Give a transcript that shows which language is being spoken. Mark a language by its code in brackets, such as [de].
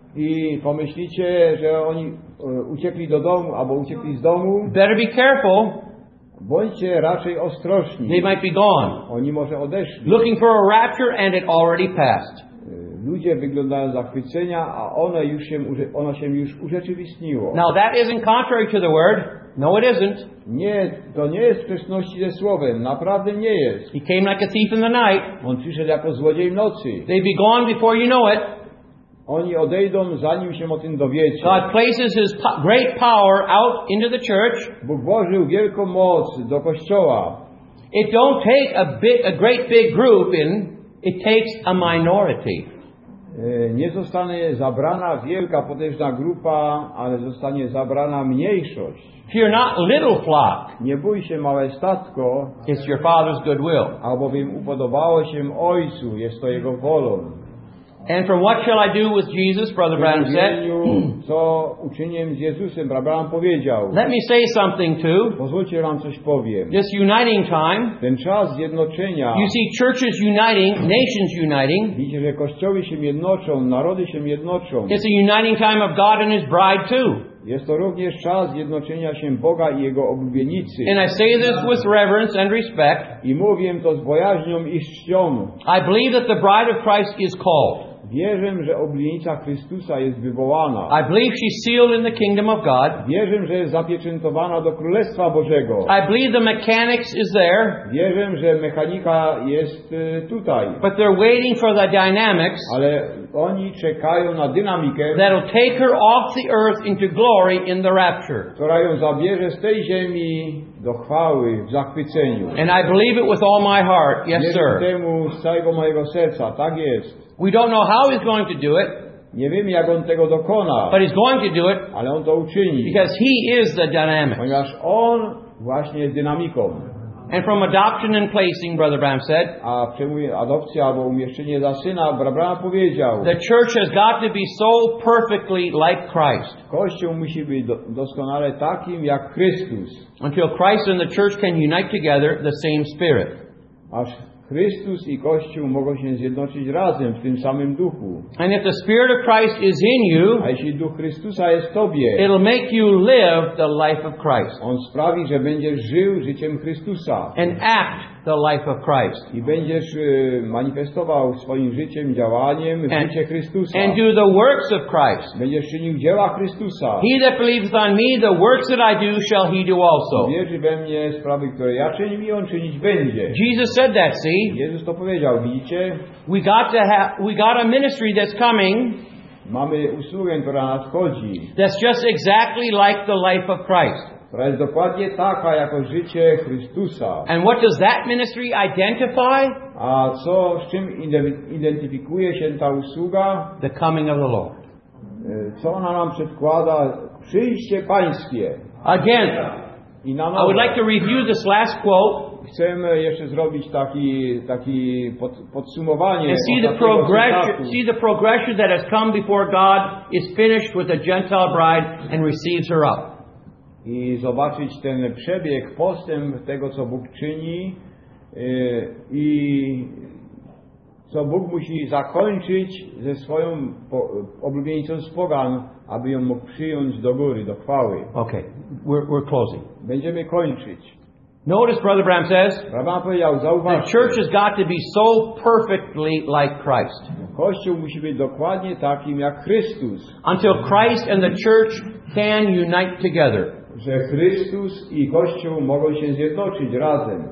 [pl] I pomyślicie, że oni uciekli do domu, albo uciekli z domu. [en] Better be careful. [pl] Bądźcie raczej ostrożni. [en] They might be gone. [pl] Oni może odeszli. [en] Looking for a rapture and it already passed. [pl] Ludzie wyglądają zachwycenia, a ono się już urzeczywistniło. [en] Now that isn't contrary to the word. No, it isn't. [pl] Nie, to nie jest w sprzeczności ze słowem. Naprawdę nie jest. [en] He came like a thief in the night. [pl] On przyszedł jako złodziej w nocy. [en] They'd be gone before you know it. [pl] Oni odejdą, zanim się o tym dowiecie. [en] God places His great power out into the church. [pl] Bóg włożył wielką moc do kościoła. [en] It don't take a great big group in. It takes a minority. [pl] Nie zostanie zabrana wielka, potężna grupa, ale zostanie zabrana mniejszość. [en] Fear not, little flock. [pl] Nie bój się, małe statko. [en] It's your Father's good will. [pl] Albowiem upodobało się Ojcu, jest to Jego wolą. [en] And from what shall I do with Jesus, Brother Branham said? [pl] Co uczyniem z Jezusem, Brother Branham powiedział. [en] Let me say something too. [pl] Pozwólcie, że wam coś powiem. [en] This uniting time. [pl] Ten czas zjednoczenia. [en] You see churches uniting, nations uniting. [pl] Widzicie, że kościoły się jednoczą, narody się jednoczą. [en] It's a uniting time of God and His bride too. [pl] Jest to również czas zjednoczenia się Boga i Jego oblubienicy. [en] And I say this with reverence and respect. [pl] I mówię to z bojaźnią i czcią. [en] I believe that the bride of Christ is called. [pl] Wierzę, że oblubienica Chrystusa jest wywołana. [en] I believe she's sealed in the kingdom of God. [pl] Wierzę, że jest zapieczętowana do Królestwa Bożego. [en] I believe the mechanics is there. [pl] Wierzę, że mechanika jest tutaj. [en] But they're waiting for the dynamics. [pl] Ale oni czekają na dynamikę. [en] That'll take her off the earth into glory in the rapture. [pl] Która ją zabierze z tej ziemi do chwały w zachwyceniu. [en] And I believe it with all my heart. Yes, [pl] wierzę [en] sir. [pl] Temu z całego mojego serca. Tak jest. [en] We don't know how he's going to do it. [pl] Nie wiemy, jak on tego dokona. [en] But he's going to do it. [pl] Ale on to uczyni. [en] Because he is the dynamic. [pl] Ponieważ on właśnie jest dynamiką. [en] And from adoption and placing, Brother Branham said. [pl] A przemówienie adopcji albo umieszczenie za syna, Brother Branham powiedział. [en] The church has got to be so perfectly like Christ. [pl] Kościół musi być doskonale takim jak Chrystus. [en] Until Christ and the church can unite together the same spirit. [pl] Aż Chrystus i Kościół mogą się zjednoczyć razem w tym samym duchu. [en] And if the Spirit of Christ is in you, [pl] a jeśli Duch Chrystusa jest w tobie, [en] it'll make you live the life of Christ. [pl] On sprawi, że będziesz żył życiem Chrystusa. [en] And act the life of Christ. [pl] I będziesz manifestował swoim życiem, działaniem życie Chrystusa. [en] And do the works of Christ. [pl] Będziesz czynił dzieła Chrystusa. [en] He that believeth on me, the works that I do, shall he do also. [pl] Wierzy we mnie, sprawy, które ja czynię, i on czynić będzie. [en] Jesus said that, see? [pl] Jezus to powiedział, widzicie? [en] We got a ministry that's coming. [pl] Mamy usługę, która nadchodzi. [en] That's just exactly like the life of Christ. [pl] Która jest dokładnie taka, jako życie Chrystusa. [en] And what does that ministry identify? [pl] A co, z czym identyfikuje się ta usługa? [en] The coming of the Lord. [pl] Co ona nam przedkłada? Przyjście Pańskie. [en] Again, [pl] I na [en] I would like to review this last quote. [pl] Chcę jeszcze zrobić taki podsumowanie. [en] And see the progression that has come before God is finished with a Gentile bride and receives her up. [pl] I zobaczyć ten przebieg, postęp tego, co Bóg czyni i co Bóg musi zakończyć ze swoją oblubienicą z pogan, aby ją mógł przyjąć do góry, do chwały. [en] Okay, we're closing. [pl] Będziemy kończyć. [en] Notice Brother Bram says, the church has got to be so perfectly like Christ. [pl] Kościół musi być dokładnie takim jak Chrystus. [en] Until Christ and the church can unite together. [pl] Że Chrystus i Kościół mogą się zjednoczyć razem.